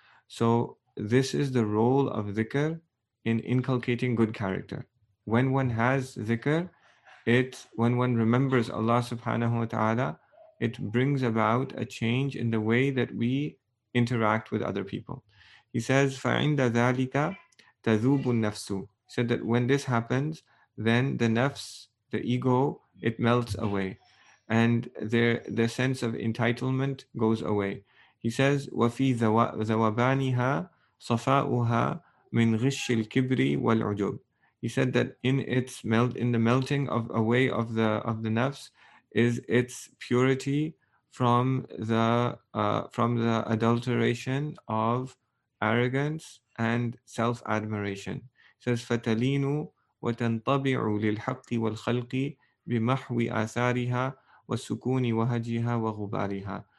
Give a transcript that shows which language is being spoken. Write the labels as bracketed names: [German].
[English] So this is the role of dhikr in inculcating good character. When one has dhikr, when one remembers Allah subhanahu wa ta'ala, it brings about a change in the way that we interact with other people. He says, [Arabic] فَعِنْدَ ذَٰلِكَ تَذُوبُ النَّفْسُ. [English] He said that when this happens, then the nafs, the ego, it melts away. And the sense of entitlement goes away. He says, [Arabic] وَفِي ذَوَبَانِهَا صَفَاؤُهَا مِنْ غِشِّ الْكِبْرِ وَالْعُجُبِ. [English] He said that in the melting of away of the nafs is its purity from the adulteration of arrogance and self admiration. He says [Arabic] فَتَلِينُ وَتَنْطَبِعُ لِلْحَقِّ وَالْخَلْقِ بِمَحْوِ آثَارِهَا وَسُكُونِ وَهَجِهَا وَغُبَارِهَا.